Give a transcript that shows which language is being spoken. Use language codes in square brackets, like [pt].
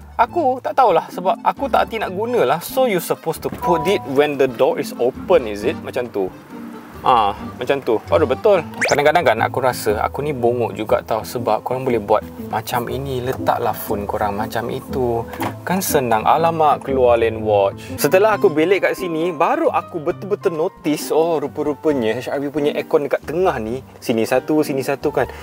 [ms] Aku tak tahulah sebab aku tak hati nak guna lah. [en] So you supposed to put it when the door is open, is it? [ms] Macam tu. Macam tu. Aduh, betul. Kadang-kadang kan aku rasa aku ni bongok juga tau. Sebab korang boleh buat macam ini. Letaklah phone korang macam itu. Kan senang. Alamak, keluar lane watch. Setelah aku belek kat sini, baru aku betul-betul notice. Rupa-rupanya HRV punya aircon dekat tengah ni. Sini satu, sini satu kan.